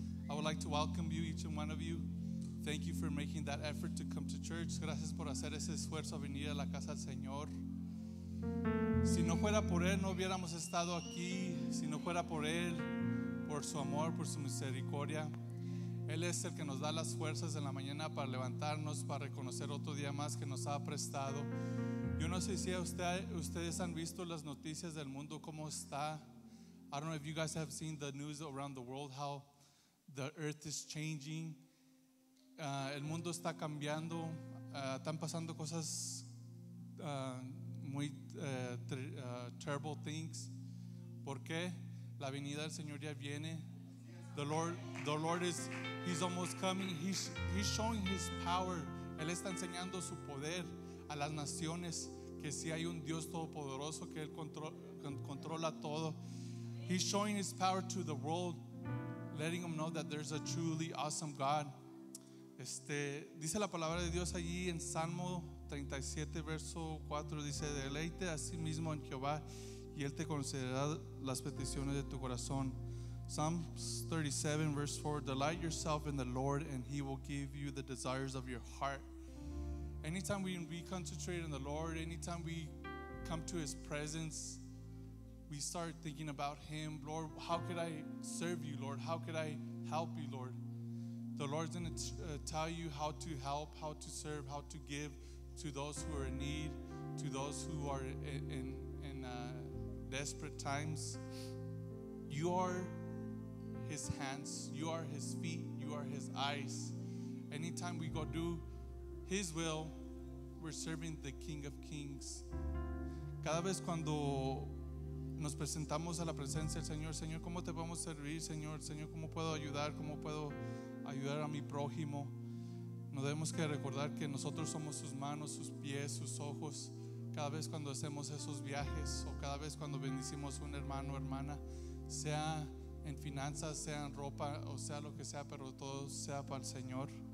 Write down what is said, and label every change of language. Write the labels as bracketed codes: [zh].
[en] I would like to welcome you, each and one of you. Thank you for making that effort to come to church. [es] Gracias por hacer ese esfuerzo a venir a la casa del Señor. Si no fuera por Él, no hubiéramos estado aquí. Si no fuera por Él, por su amor, por su misericordia. Él es el que nos da las fuerzas en la mañana para levantarnos, para reconocer otro día más que nos ha prestado. Yo no sé si ustedes han visto las noticias del mundo, cómo está. [en] I don't know if you guys have seen the news around the world, how the earth is changing. [es] El mundo está cambiando. Están pasando cosas muy [en] terrible things. [es] ¿Por qué? La venida del Señor ya viene. [en] The Lord is, he's almost coming. He's showing his power. [es] Él está enseñando su poder a las naciones, que si hay un Dios todopoderoso, que Él controla todo. [en] He's showing his power to the world, letting them know that there's a truly awesome God. [es] Dice la palabra de Dios allí en Salmo 37 verso 4, dice: deleite a sí mismo en Jehová y Él te concederá las peticiones de tu corazón. [en] Psalms 37 verse 4, delight yourself in the Lord and He will give you the desires of your heart. Anytime we concentrate on the Lord, anytime we come to His presence, we start thinking about Him. Lord, how could I serve you, Lord? How could I help you, Lord? The Lord's going to tell you how to help, how to serve, how to give to those who are in need, to those who are in desperate times. You are His hands, you are His feet, you are His eyes. Anytime we go do His will, we're serving the King of Kings. [es] Cada vez cuando nos presentamos a la presencia del Señor, Señor, ¿cómo te podemos servir? Señor, Señor, ¿cómo puedo ayudar? ¿Cómo puedo ayudar a mi prójimo? No debemos que recordar que nosotros somos sus manos, sus pies, sus ojos. Cada vez cuando hacemos esos viajes, o cada vez cuando bendicimos a un hermano o hermana, sea en finanzas, sea en ropa, o sea lo que sea, pero todo sea para el Señor.